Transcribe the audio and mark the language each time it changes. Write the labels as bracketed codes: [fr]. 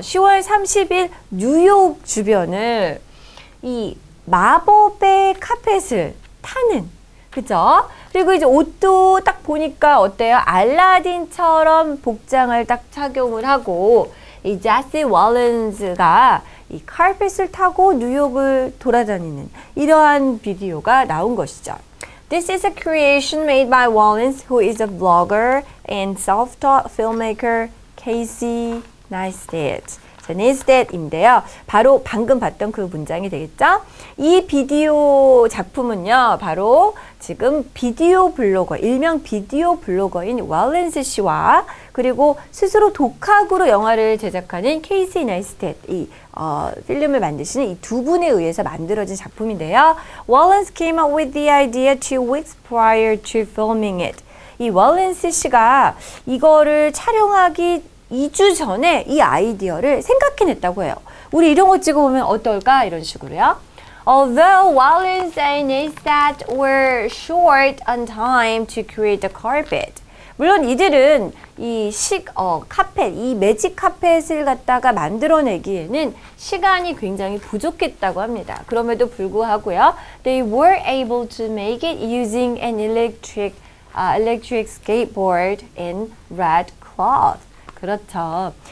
[ko] 10월 30일 뉴욕 주변을 이 마법의 카펫을 타는, 그죠? 그리고 이제 옷도 딱 보니까 어때요? 알라딘처럼 복장을 딱 착용을 하고 이 제시 월렌즈가 이 카펫을 타고 뉴욕을 돌아다니는 이러한 비디오가 나온 것이죠. [en] This is a creation made by Wellens, who is a blogger and self-taught filmmaker Casey Neistat. [ko] 네스텟인데요. 바로 방금 봤던 그 문장이 되겠죠? 이 비디오 작품은요. 바로 지금 비디오 블로거, 일명 비디오 블로거인 월렌스 씨와 그리고 스스로 독학으로 영화를 제작하는 케이시 네스텟, 이 필름을 만드시는 이 두 분에 의해서 만들어진 작품인데요. [en] Wellens came up with the idea 2 weeks prior to filming it. [ko] 이 월렌스 씨가 이거를 촬영하기 2주 전에 이 아이디어를 생각해냈다고 해요. 우리 이런 거 찍어보면 어떨까? 이런 식으로요. [en] Although Wellens and Neistat were short on time to create the carpet. [ko] 물론 이들은 이 카펫, 이 매직 카펫을 갖다가 만들어내기에는 시간이 굉장히 부족했다고 합니다. 그럼에도 불구하고요. [en] They were able to make it using an electric skateboard in red cloth. [ko] 그렇죠.